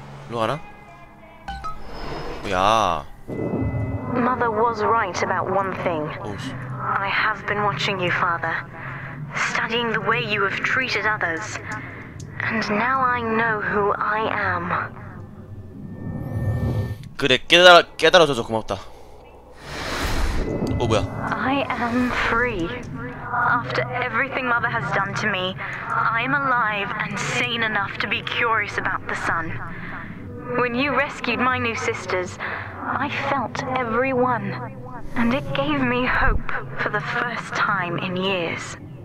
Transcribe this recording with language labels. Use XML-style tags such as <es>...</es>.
<ko>로 가나? 야.</ko> <en>Mother was right about one thing. I have been watching you, Father. Studying the way you have treated others. And now I know who I am.</en> <ko>그래, 깨달아줘서 고맙다. 어, 뭐야?</ko> <en>I am free. After everything Mother has done to me, I am alive and sane enough to be curious about the sun. When you rescued my new sisters, I felt every one. And it gave me hope for the first time in years.</en>